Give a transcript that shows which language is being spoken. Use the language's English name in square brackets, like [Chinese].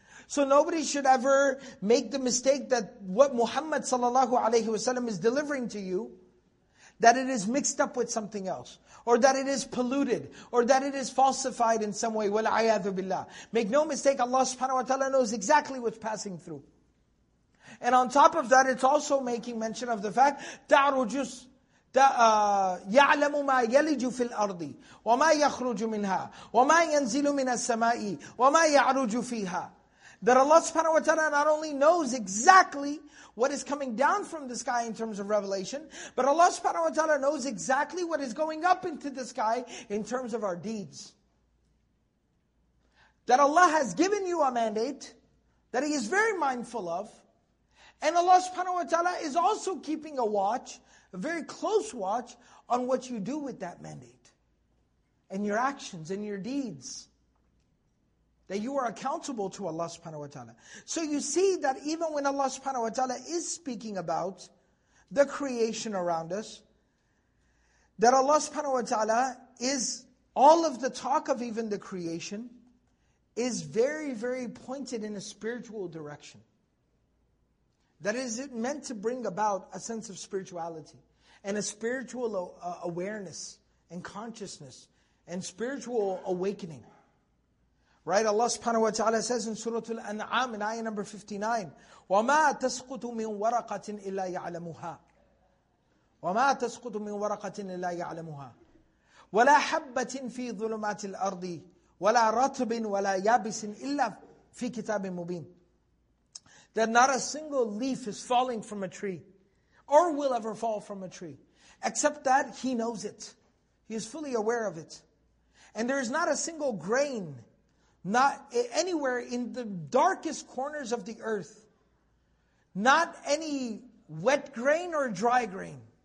[English] So nobody should ever make the mistake that what Muhammad sallallahu alayhi wasallam is delivering to you, that it is mixed up with something else, or that it is polluted, or that it is falsified in some way. [Arabic] وَالْعَيَاذُ بِاللَّهِ. [English] Make no mistake, Allah subhanahu wa ta'ala knows exactly what's passing through. And on top of that, it's also making mention of the fact, [Arabic] تَعْرُجُ يَعْلَمُ مَا يَلِجُ فِي الْأَرْضِ وَمَا يَخْرُجُ مِنْهَا وَمَا يَنْزِلُ مِنَ السَّمَاءِ وَمَا يَعْرُجُ فِيهَا. [English] That Allah subhanahu wa ta'ala not only knows exactly what is coming down from the sky in terms of revelation, but Allah subhanahu wa ta'ala knows exactly what is going up into the sky in terms of our deeds. That Allah has given you a mandate that He is very mindful of, and Allah subhanahu wa ta'ala is also keeping a watch, a very close watch, on what you do with that mandate, and your actions and your deeds. That you are accountable to Allah subhanahu wa ta'ala. So you see that even when Allah subhanahu wa ta'ala is speaking about the creation around us, that Allah subhanahu wa ta'ala is, all of the talk of even the creation is very, very pointed in a spiritual direction. That is meant to bring about a sense of spirituality and a spiritual awareness and consciousness and spiritual awakening. Right, Allah subhanahu wa ta'ala says in Surah Al-An'am in ayah number 59, [Arabic] وَمَا تَسْقُطُ مِنْ وَرَقَةٍ إِلَّا يَعْلَمُهَا وَمَا تَسْقُطُ مِنْ وَرَقَةٍ إِلَّا يَعْلَمُهَا وَلَا حَبَّةٍ فِي ظُلُمَاتِ الْأَرْضِ وَلَا رَتْبٍ وَلَا يَابِسٍ إِلَّا فِي كِتَابٍ مُبِينٍ. [English] That not a single leaf is falling from a tree, or will ever fall from a tree, except that He knows it. He is fully aware of it. And there is not a single grain, not anywhere in the darkest corners of the earth, not any wet grain or dry grain,